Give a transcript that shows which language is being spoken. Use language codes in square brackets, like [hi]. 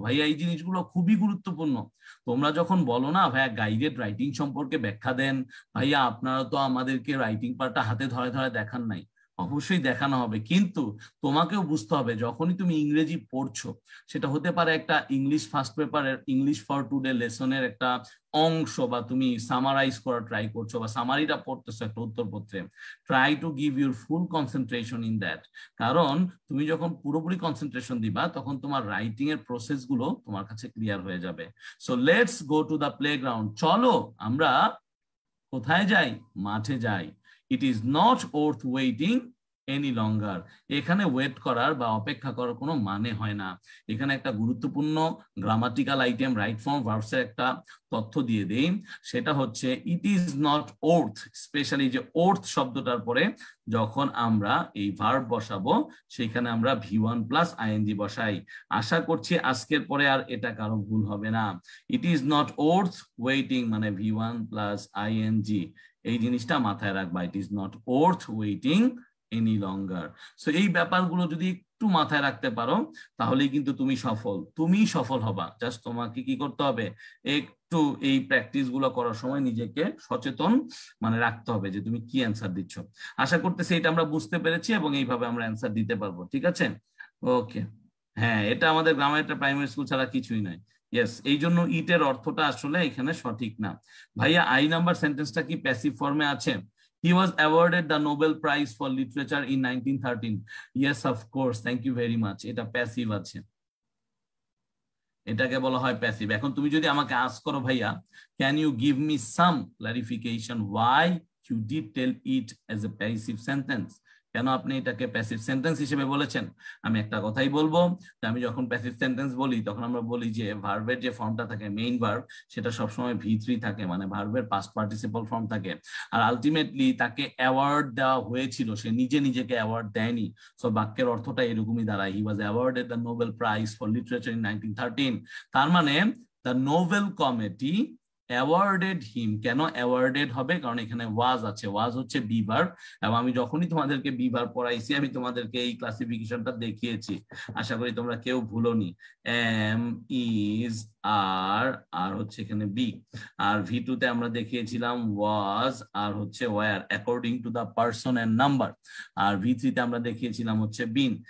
[bn] ভাই এই জিনিসগুলো খুবই গুরুত্বপূর্ণ। তোমরা যখন বলো না ভাইয়া গাইডেড রাইটিং সম্পর্কে ব্যাখ্যা দেন, ভাইয়া আপনারা তো আমাদেরকে রাইটিং পার্টটা হাতে ধরে ধরে দেখান নাই, অবশ্যই দেখানো হবে, কিন্তু তোমাকেও বুঝতে হবে যখনই তুমি ইংরেজি পড়ছো সেটা হতে পারে একটা English first paper English for today লেসনের একটা অংশ, বা তুমি সামারাইজ করার ট্রাই করছো বা সামারিটা পড়তেছো একটা উত্তরপত্রে, [en] Try to give your full concentration in that. [bn] কারণ তুমি যখন পুরোপুরি কনসেন্ট্রেশন দিবা তখন তোমার রাইটিং এর প্রসেস গুলো তোমার কাছে ক্লিয়ার হয়ে যাবে। [en] so let's go to the playground, [bn] চলো আমরা কোথায় যাই, মাঠে যাই। [en] It is not worth waiting any longer. [bn] এখানে ওয়েট করার বা অপেক্ষা করার কোনো মানে হয় না। এখানে একটা গুরুত্বপূর্ণ grammatical item right form verbs এর একটা তথ্য দিয়ে দেই, সেটা হচ্ছে [en] it is not worth, [bn] specially যে ওর্থ শব্দটার পরে যখন আমরা এই ভার্ব বসাবো সেখানে আমরা v1 প্লাস ing বসাই। আশা করছি আজকের পরে আর এটা কারো ভুল হবে না। [en] it is not worth waiting [bn] মানে v1 প্লাস ing, এই জিনিসটা মাথায় রাখবা। [en] It is not worth waiting any longer. [bn] So এই ব্যাপারগুলো যদি একটু মাথায় রাখতে পারো তাহলেই কিন্তু তুমি সফল, তুমি সফল হবা। জাস্ট তোমাকে কি করতে হবে, একটু এই প্র্যাকটিস গুলো করার সময় নিজেকে সচেতন মানে রাখতে হবে যে তুমি কি অ্যান্সার দিচ্ছ। আশা করতেছি এটা আমরা বুঝতে পেরেছি এবং এইভাবে আমরা অ্যান্সার দিতে পারবো, ঠিক আছে? ওকে, হ্যাঁ এটা আমাদের গ্রামের একটা প্রাইমারি স্কুল ছাড়া কিছুই নয়। ইয়েস, এই জন্য ইট এর অর্থটা আসলে এখানে সঠিক না। ভাইয়া আই নাম্বার সেন্টেন্সটা কি প্যাসিভ ফর্মে আছে? [en] He was awarded the Nobel Prize for Literature in 1913. Yes, of course. Thank you very much. [bn] এটা passive আছে। এটাকে বলা হয় passive. এখন তুমি যদি আমাকে ask করো ভাইয়া, [en] can you give me some clarification why you did tell it as a passive sentence? [bn] কেন আপনি এটাকে passive sentence হিসেবে বলেছেন? আমি একটা কথাই বলবো, যে আমি যখন passive sentence বলি তখন আমরা বলি যে verb এর যে formটা থাকে main verb সেটা সবসময় v3 থাকে, মানে verb এর past participle form থাকে। আর ultimately তাকে award দেওয়া হয়েছিল, সে নিজে নিজেকে award দেয়নি। সো বাক্যের অর্থটা এরকমই দাঁড়ায়, [en] he was awarded the Nobel Prize for Literature in 1913. [bn] তার মানে [en] the Nobel Committee awarded him. [bn] কেন অ্যাওয়ার্ডেড হবে? কারণ এখানে ওয়াজ আছে, ওয়াজ হচ্ছে বি ভার্ব, এবং আমি যখনই তোমাদেরকে বি ভার্ব পড়াইছি আমি তোমাদেরকে এই ক্লাসিফিকেশনটা দেখিয়েছি, আশা করি তোমরা কেউ ভুলোনি। এম ইজ আর, আর হচ্ছে এখানে বি, আর ভি টু তে আমরা দেখিয়েছিলাম ওয়াজ, আর হচ্ছে wire [en] according to the person and number, [bn] আর V three তে আমরা দেখিয়েছিলাম হচ্ছে বিন।